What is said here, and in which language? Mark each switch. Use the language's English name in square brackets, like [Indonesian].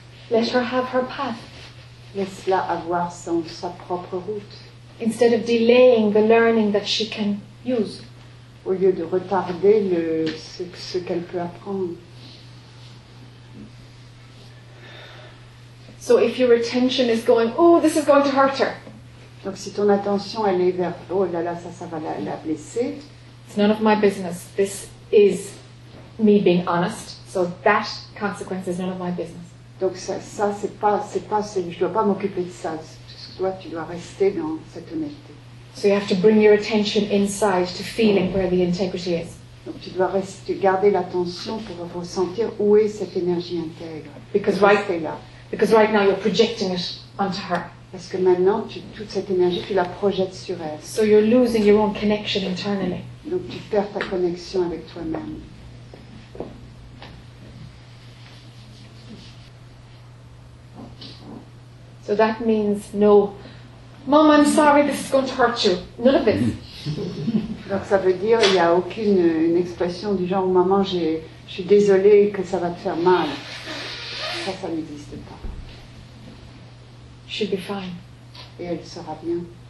[English] Let her have her path. [French] Laisse-la avoir sa propre route. [English] Instead of delaying the learning that she can use. [French] Au lieu de retarder ce qu'elle peut apprendre. [English] So if your attention is going, oh, this is going to hurt her. [French] Donc si ton attention elle est vers, oh là là, ça va la blesser. [English] It's none of my business. This is me being honest. So that consequence is none of my business. [French] Donc je dois pas m'occuper de ça. Toi, tu dois rester dans cette honnêteté. [English] So you have to bring your attention inside to feeling where the integrity is. [French] Donc tu dois garder l'attention pour ressentir où est cette énergie intègre. [English] Because right now you're projecting it onto her. [French] Parce que maintenant, toute cette énergie, tu la projettes sur elle. [English] So you're losing your own connection internally. [French] Donc tu perds ta connexion avec toi-même. [English] So that means no. Mom, I'm sorry, this is going to hurt you. None of this. [French] Donc ça veut dire il n'y a aucune une expression du genre maman, je suis désolée que ça va te faire mal. Ça n'existe pas. [English] She'll be fine. [French] Et elle sera bien.